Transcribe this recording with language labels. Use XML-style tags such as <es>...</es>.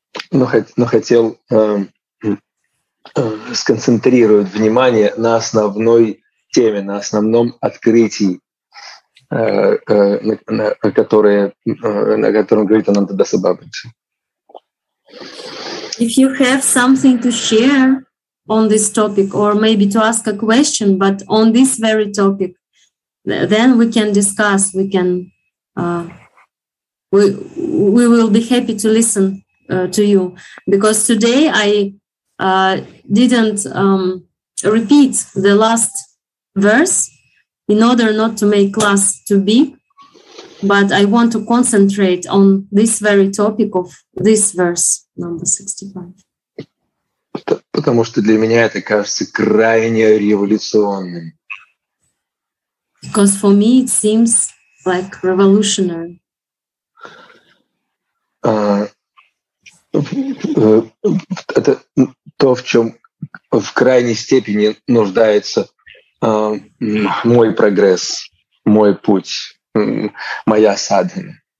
<ru>Но хотел сконцентрировать внимание на основной теме, на основном открытии, на котором говорит Ананта Даса Бабаджи.</ru> <en>If you have something to share on this topic, or maybe to ask a question, but on this very topic, then we can discuss, we can... We will be happy to listen to you, because today I didn't repeat the last verse in order not to make class too big, but I want to concentrate on this very topic of this verse, number 65.</en> <ru>Потому что для меня это кажется крайне революционным.</ru> <en>Because for me it seems like revolutionary.</en> <ru>Это то, в чем в крайней степени нуждается мой прогресс, мой путь, моя садхана.</ru>